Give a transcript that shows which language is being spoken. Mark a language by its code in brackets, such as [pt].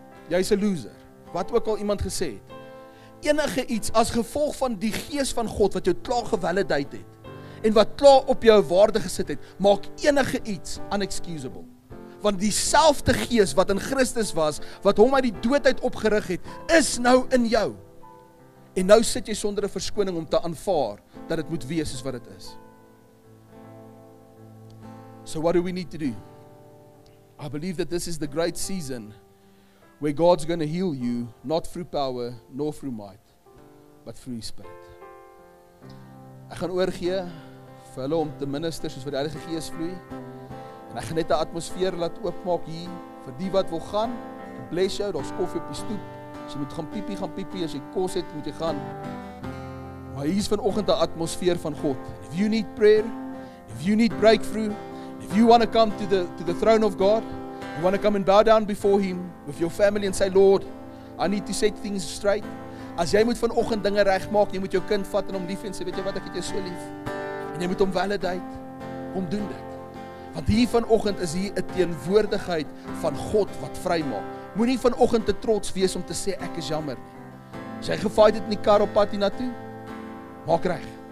[af] Jy is 'n loser. Wat ook al iemand gesê het. Enige iets as gevolg van die gees van God wat jou klaar gevalideer het, en wat klaar op jou waarde gesit het, maak enige iets unexcusable. Want die selfde gees wat in Christus was, wat hom uit die dood uit opgerig het, is nou in jou. En nou sit jy sonder 'n verskoning om te aanvaar dat dit moet wees soos wat dit is. [en] So what do we need to do? I believe that this is the great season where God's going to heal you, not through power, nor through might, but through His Spirit. [af] Ek gaan oorgee vir hulle om te minister soos wat die Heilige Gees vloei. En ek gaan net 'n atmosfeer laat oopmaak hier vir die wat wil gaan. Bless jou, daar's koffie op die stoep. As jy moet gaan piepie, as jy kos het, moet jy gaan. Maar hier is vanoggend 'n atmosfeer van God. [en] If you need prayer, if you need breakthrough, if you want to come to the throne of God, you want to come and bow down before Him with your family and say, Lord, I need to set things straight. [af] As jy moet vanoggend dinge regmaak, jy moet jou kind vat en hom lief en sê, weet jy wat, ek het jou so lief. En jy moet hom validate. Kom doen dit. Want hier vanoggend is hier 'n teenwoordigheid van God wat vrymaak. Moenie vanoggend te trots wees om te sê ek is jammer nie. As jy gefight het in die kar op pad hiernatoe, maak reg.